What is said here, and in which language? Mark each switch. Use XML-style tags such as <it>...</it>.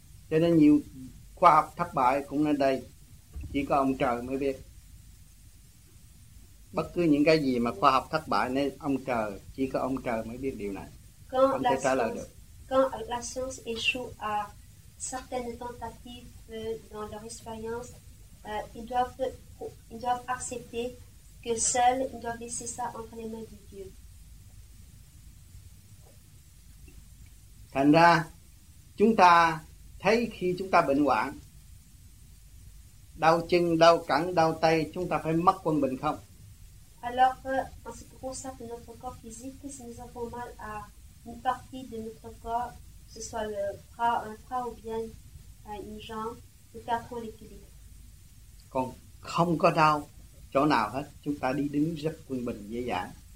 <vi>Cho nên nhiều khoa học thất bại cũng ở đây, chỉ có ông trời mới biết. Bất cứ những cái gì mà khoa học thất bại nên ông trời, chỉ có ông trời mới biết điều này. Quand ông la science, trả lời được.</vi> <fr>Quand la science échoue à certaines tentatives dans leur expérience, ils doivent accepter que seul ils doivent laisser ça entre les mains de Dieu.</fr> <vi>Thành ra chúng ta thấy khi chúng ta bệnh hoạn, đau chân, đau cẳng, đau tay, chúng ta phải mất quân bình không?</vi> <fr>Alors, en ce qui concerne notre corps physique, si nous avons mal à une partie de notre corps, ce soit le bras, un bras ou bien une jambe, nous perdons l'équilibre.</fr> <vi>Còn không có đau chỗ nào hết, chúng ta đi đứng rất quân bình, dễ dàng.</vi>